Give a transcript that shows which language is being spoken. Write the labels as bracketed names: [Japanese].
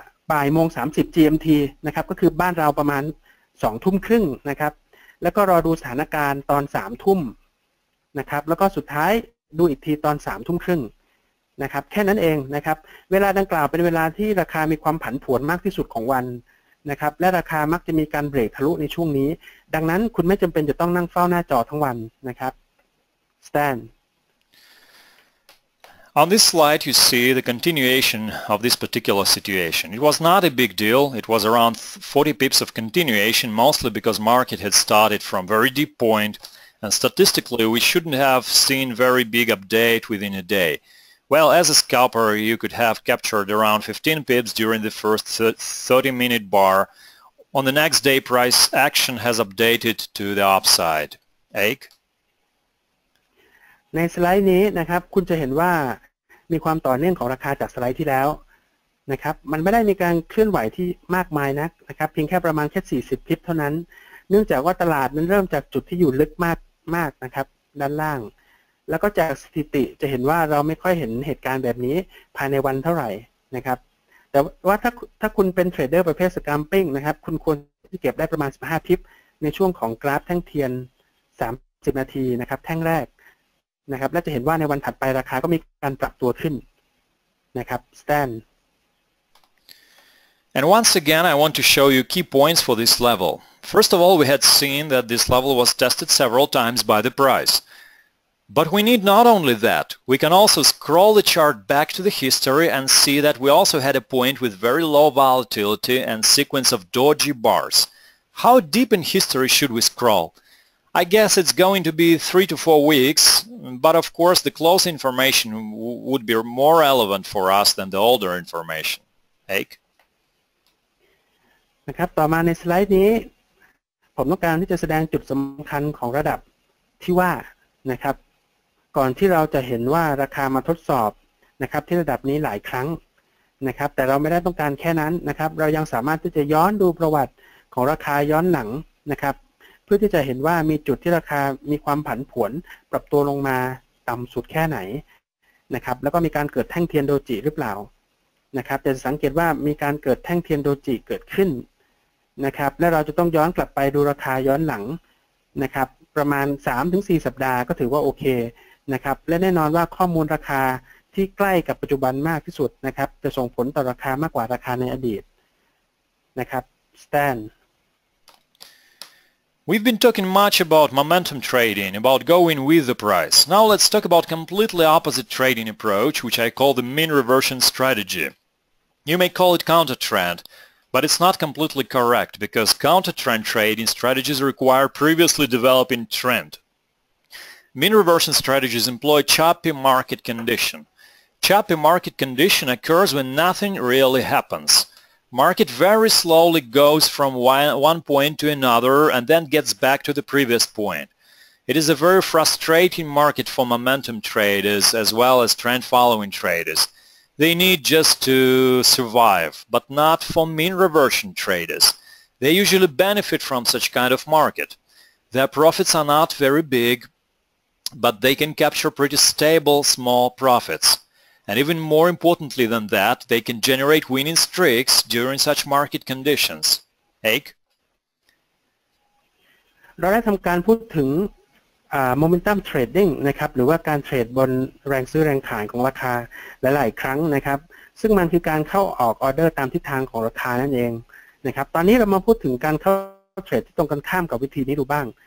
[Thai] บ่ายโมง30 GMT นะครับก็คือบ้านเราประมาณ2ทุ่มครึ่งนะครับแล้วก็รอดูสถานการณ์ตอน3ทุ่มนะครับแล้วก็สุดท้ายดูอีกทีตอน3ทุ่มครึ่งนะครับแค่นั้นเองนะครับเวลาดังกล่าวเป็นเวลาที่ราคามีความผันผวนมากที่สุดของวันนะครับและราคามักจะมีการเบรกทะลุในช่วงนี้ดังนั้นคุณไม่จำเป็นจะต้องนั่งเฝ้าหน้าจอทั้งวันนะครับ [English] stand. On this slide, you see the continuation of this particular situation. It was not a big deal. It was around 40 pips of continuation, mostly because market had started from very deep point, and statistically, we shouldn't have seen very big update within a day. Well, as a scalper, you could have captured around 15 pips during the first 30-minute bar. On the next day, price action has updated to the upside. Ake? [Thai] ในสไลด์นี้นะครับคุณจะเห็นว่ามีความต่อเนื่องของราคาจากสไลด์ที่แล้วนะครับมันไม่ได้มีการเคลื่อนไหวที่มากมายนักนะครับเพียงแค่ประมาณแค่40พิปเท่านั้นเนื่องจากว่าตลาดมันเริ่มจากจุดที่อยู่ลึกมากมากนะครับด้านล่าง แล้วก็จากสถิติจะเห็นว่าเราไม่ค่อยเห็นเหตุการณ์แบบนี้ภายในวันเท่าไหร่นะครับแต่ว่าถ้าคุณเป็นเทรดเดอร์ประเภทสแกมปิ้งนะครับคุณควรที่เก็บได้ประมาณ15พิปในช่วงของกราฟแท่งเทียน30นาทีนะครับแท่งแรกนะครับและจะเห็นว่าในวันถัดไปราคาก็มีการปรับตัวขึ้นนะครับ stand [English] and once again I want to show you key points for this level first of all we had seen that this level was tested several times by the price but we need not only that we can also scroll the chart back to the history and see that we also had a point with very low volatility and sequence of doji bars how deep in history should we scrollI guess it's going to be 3 to 4 weeks, but of course the close information would be more relevant for us than the older information. Ake? [Thai] นะครับต่อมาในสไลด์นี้ผมต้องการที่จะแสดงจุดสำคัญของระดับที่ว่านะครับก่อนที่เราจะเห็นว่าราคามาทดสอบนะครับที่ระดับนี้หลายครั้งนะครับแต่เราไม่ได้ต้องการแค่นั้นนะครับเรายังสามารถที่จะย้อนดูประวัติของราคาย้อนหลังนะครับเพื่อที่จะเห็นว่ามีจุดที่ราคามีความผันผวนปรับตัวลงมาต่ำสุดแค่ไหน นะครับแล้วก็มีการเกิดแท่งเทียนโดจิหรือเปล่านะครับจะสังเกตว่ามีการเกิดแท่งเทียนโดจิเกิดขึ้นนะครับและเราจะต้องย้อนกลับไปดูราคาย้อนหลังนะครับประมาณ 3-4 สัปดาห์ก็ถือว่าโอเคนะครับและแน่นอนว่าข้อมูลราคาที่ใกล้กับปัจจุบันมากที่สุดนะครับจะส่งผลต่อราคามากกว่าราคาในอดีตนะครับ stand. [English] We've been talking much about momentum trading, about going with the price. Now let's talk about completely opposite trading approach, which I call the mean reversion strategy. You may call it counter trend, but it's not completely correct because counter trend trading strategies require previously developing trend. Mean reversion strategies employ choppy market condition. Choppy market condition occurs when nothing really happens. Market very slowly goes from one point to another and then gets back to the previous point. It is a very frustrating market for momentum traders as well as trend following traders. They need just to survive, but not for mean reversion traders. They usually benefit from such kind of market. Their profits are not very big, but they can capture pretty stable small profits. And even more importantly than that, they can generate winning streaks during such market conditions. Ake? [Thai] เราได้ทำการพูดถึง momentum trading นะครับหรือว่าการเทรดบนแรงซื้อแรงขายของราคาหลายๆครั้งนะครับซึ่งมันคือการเข้าออกออเดอร์ตามทิศทางของราคานั่นเองนะครับตอนนี้เรามาพูดถึงการเข้าเทรดที่ตรงกันข้ามกับวิธีนี้ดูบ้าง